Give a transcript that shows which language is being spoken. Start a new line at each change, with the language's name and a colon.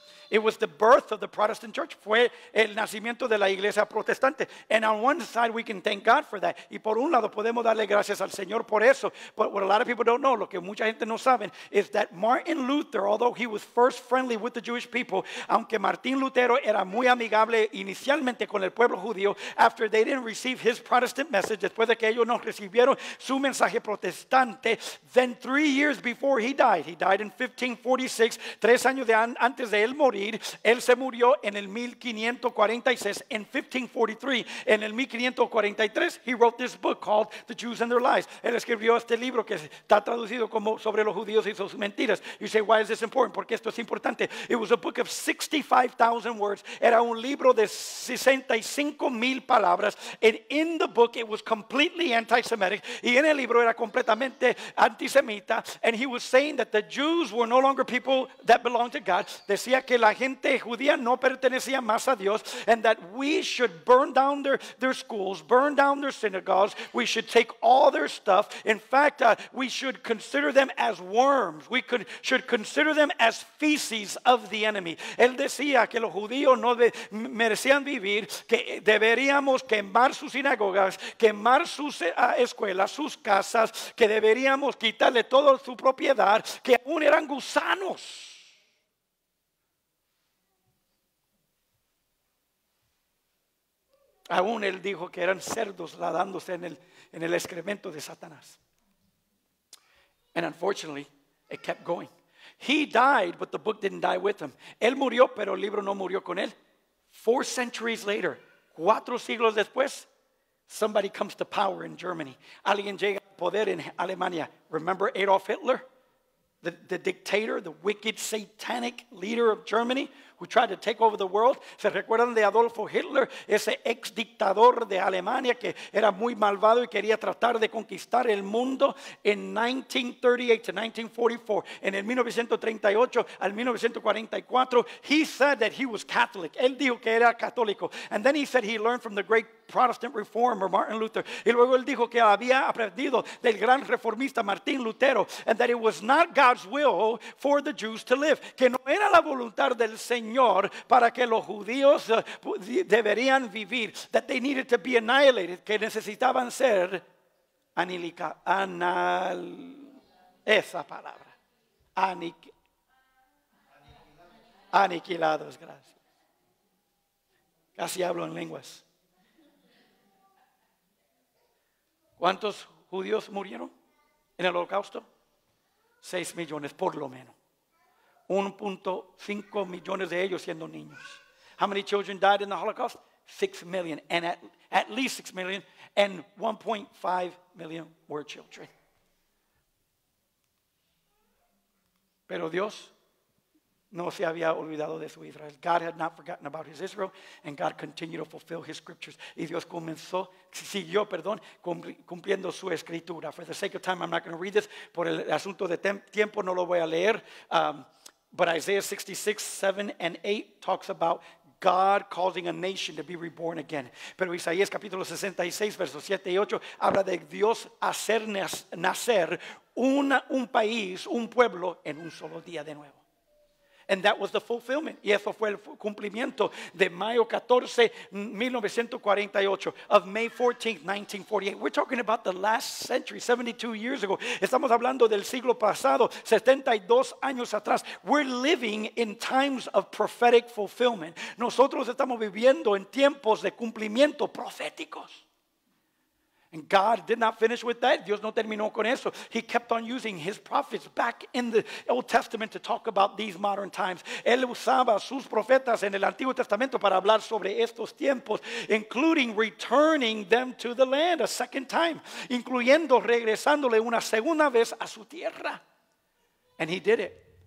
English: It was the birth of the Protestant Church.
Spanish: Fue el nacimiento de la Iglesia Protestante.
English: And on one side, we can thank God for that.
Spanish: Y por un lado, podemos darle gracias al Señor por eso.
English: But what a lot of people don't know,
Spanish: lo que mucha gente no saben,
English: is that Martin Luther, although he was first friendly with the Jewish people,
Spanish: aunque Martín Lutero era muy amigable inicialmente con el pueblo judío,
English: after they didn't receive his Protestant message,
Spanish: después de que ellos no recibieron su mensaje protestante,
English: then 3 years before he died in 1546,
Spanish: 3 años antes de él morir, morir. Él se murió en el 1546, en 1543. En el 1543,
English: he wrote this book called The Jews and Their Lies.
Spanish: Él escribió este libro que está traducido como Sobre los Judíos y sus Mentiras.
English: You say, why is this important?
Spanish: Porque esto es importante.
English: It was a book of 65,000 words.
Spanish: Era un libro de 65,000 palabras.
English: And in the book, it was completely anti-Semitic.
Spanish: Y en el libro era completamente antisemita.
English: And he was saying that the Jews were no longer people that belonged to God.
Spanish: Decía que la gente judía no pertenecía más a Dios.
English: And that we should burn down their schools, burn down their synagogues. We should take all their stuff. In fact, we should consider them as worms. We should consider them as feces of the enemy.
Spanish: Él decía que los judíos no merecían vivir, que deberíamos quemar sus sinagogas, quemar sus escuelas, sus casas, que deberíamos quitarle toda su propiedad, que aún eran gusanos. Aún él dijo que eran cerdos ladándose en el excremento de Satanás.
English: And unfortunately, it kept going. He died, but the book didn't die with him.
Spanish: Él murió, pero el libro no murió con él.
English: 4 centuries later,
Spanish: 4 siglos después,
English: somebody comes to power in Germany.
Spanish: Alguien llega al poder en Alemania.
English: Remember Adolf Hitler? The dictator, the wicked, satanic leader of Germany who tried to take over the world.
Spanish: ¿Se recuerdan de Adolfo Hitler? Ese ex dictador de Alemania que era muy malvado y quería tratar de conquistar el mundo.
English: In 1938 to 1944,
Spanish: en el 1938 al 1944,
English: he said that he was Catholic.
Spanish: Él dijo que era católico.
English: And then he said he learned from the great Protestant reformer Martin Luther.
Spanish: Y luego él dijo que había aprendido del gran reformista Martín Lutero.
English: And that it was not God's will for the Jews to live.
Spanish: Que no era la voluntad del Señor para que los judíos deberían vivir.
English: That they needed to be annihilated.
Spanish: Que necesitaban ser anilica, anal, esa palabra, aniquilados. Gracias. Casi hablo en lenguas. ¿Cuántos judíos murieron en el holocausto? 6 millones, por lo menos. 1.5 millones de ellos siendo niños.
English: How many children died in the Holocaust? 6 million, and at least 6 million, and 1.5 million were children.
Spanish: Pero Dios no se había olvidado de su Israel.
English: God had not forgotten about his Israel, and God continued to fulfill his scriptures.
Spanish: Y Dios comenzó, siguió, perdón, cumpliendo su escritura.
English: For the sake of time, I'm not going to read this.
Spanish: Por el asunto de tiempo, no lo voy a leer.
English: But Isaiah 66, 7 and 8 talks about God causing a nation to be reborn again.
Spanish: Pero Isaías capítulo 66, versos 7 y 8, habla de Dios hacer nacer un país, un pueblo, en un solo día de nuevo.
English: And that was the fulfillment.
Spanish: Y eso fue el cumplimiento de mayo 14, 1948,
English: of May 14, 1948. We're talking about the last century, 72 years ago.
Spanish: Estamos hablando del siglo pasado, 72 años atrás.
English: We're living in times of prophetic fulfillment.
Spanish: Nosotros estamos viviendo en tiempos de cumplimiento proféticos.
English: And God did not finish with that.
Spanish: Dios no terminó con eso.
English: He kept on using his prophets back in the Old Testament to talk about these modern times.
Spanish: Él usaba sus profetas en el Antiguo Testamento para hablar sobre estos tiempos,
English: including returning them to the land a second time,
Spanish: incluyendo regresándole una segunda vez a su tierra.
English: And he did it.